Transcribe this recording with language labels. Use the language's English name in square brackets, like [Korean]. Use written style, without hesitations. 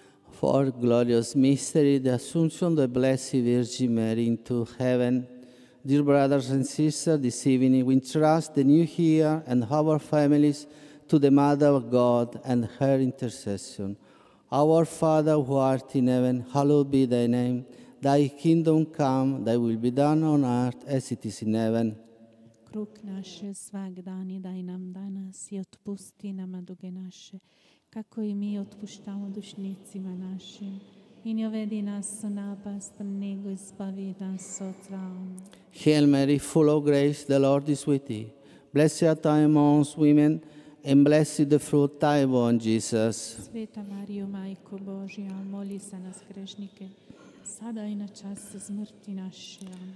[English] for glorious mystery, the Assumption of the Blessed Virgin Mary into heaven. Dear brothers and sisters, this evening we entrust the new year and our families to the Mother of God and her intercession. Our Father who art in heaven, hallowed be thy name. Thy kingdom come, thy will be done on earth as it is in heaven. [Croatian] Kruh naš svagdanji daj nam danas i otpusti nam duge naše, kako i mi otpuštamo dužnicima našim. I ne uvedi nas u napast, nego izbavi nas od zla. [English] Hail Mary, full of grace, the Lord is with thee. Blessed art thou amongst women, and blessed the fruit of thy womb, Jesus. [Croatian] Sveta Mario, Majko Božja, moli za nas grešnike, sada i na čas smrti naše.